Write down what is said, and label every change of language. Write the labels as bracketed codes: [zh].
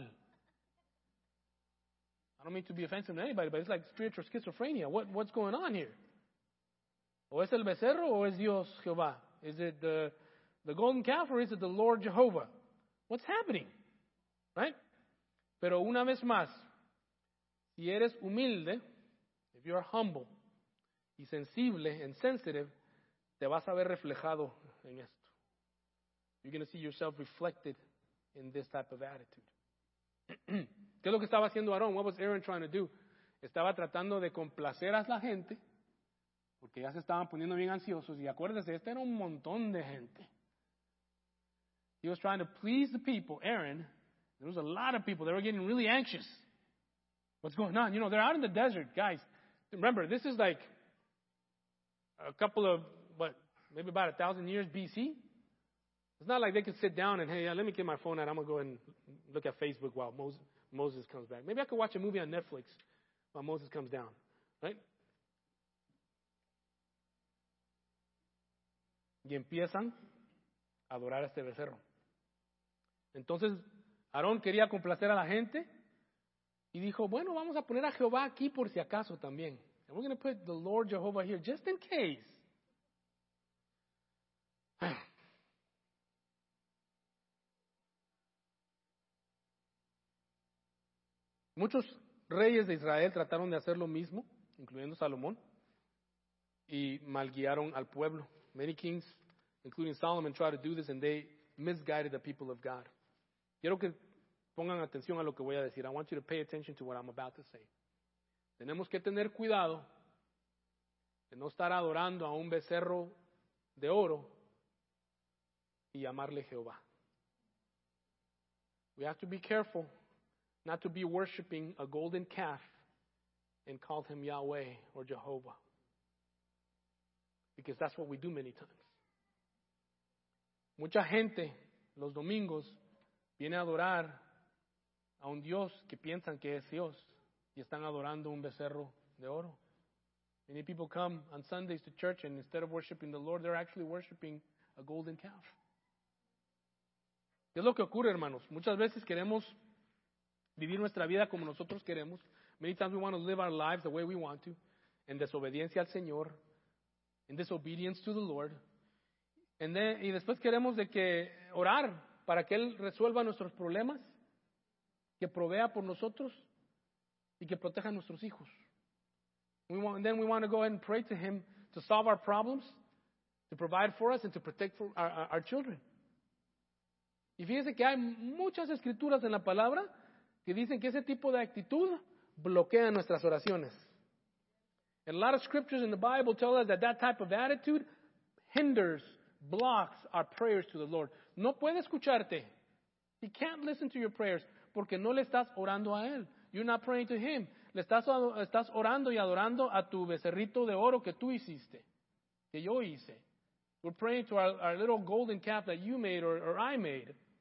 [en] I don't mean to be offensive to anybody, but it's like spiritual schizophrenia. What's going on here? [es] ¿O es el becerro o es Dios Jehová? [en] Is it the golden calf or is it the Lord Jehovah? What's happening? Right? [es] Pero una vez más, si eres humilde, [en] if you are humble, [es] y sensible [en] and sensitive, [es] te vas a ver reflejado en esto. [en] You're going to see yourself reflected in this type of attitude. [es] ¿Qué es lo que estaba haciendo Aarón? [en] What was Aaron trying to do? [es] Estaba tratando de complacer a la gente, porque ya se estaban poniendo bien ansiosos. Y acuérdense, este era un montón de gente. [en] He was trying to please the people, Aaron. There was a lot of people. They were getting really anxious. What's going on? You know, they're out in the desert, guys. Remember, this is like a couple of, maybe about 1,000 years B.C.? It's not like they could sit down and, hey, yeah, let me get my phone out. I'm going to go and look at Facebook while Moses comes back. Maybe I could watch a movie on Netflix while Moses comes down, right? [es] Y empiezan a adorar a este becerro. Entonces, Aarón quería complacer a la gente. Y dijo, bueno, vamos a poner a Jehová aquí por si acaso también. [en] And we're going to put the Lord Jehovah here just in case. [es] Muchos reyes de Israel trataron de hacer lo mismo, incluyendo Salomón, y malguiaron al pueblo. [en] Many kings, including Solomon, tried to do this and they misguided the people of God. [es] Quiero que pongan atención a lo que voy a decir. [en] I want you to pay attention to what I'm about to say. [es] Tenemos que tener cuidado de no estar adorando a un becerro de oro y llamarle Jehová. [en] We have to be careful not to be worshiping a golden calf and call him Yahweh or Jehovah. Because that's what we do many times. [es] Mucha gente los domingos viene a adorar a un Dios que piensan que es Dios y están adorando un becerro de oro. [en] Many people come on Sundays to church and instead of worshiping the Lord, they're actually worshiping a golden calf. [es] ¿Qué es lo que ocurre, hermanos? Muchas veces queremos vivir nuestra vida como nosotros queremos. [en] Many times we want to live our lives the way we want to, [es] en desobediencia al Señor, [en] in disobedience to the Lord. And then, [es] y después queremos de que orar para que Él resuelva nuestros problemas, que provea por nosotros y que proteja a nuestros hijos. [en] And then we want to go ahead and pray to Him to solve our problems, to provide for us and to protect for our children. [es] Y fíjense que hay muchas escrituras en la palabra que dicen que ese tipo de actitud bloquea nuestras oraciones. [en] And a lot of scriptures in the Bible tell us that that type of attitude hinders, blocks our prayers to the Lord. [es] No puede escucharte. [en] He can't listen to your prayers [es] porque no le estás orando a Él. [en] You're not praying to Him. [es] Le estás orando y adorando a tu becerrito de oro que tú hiciste, que yo hice. [en] We're praying to our little golden calf that you made or I made.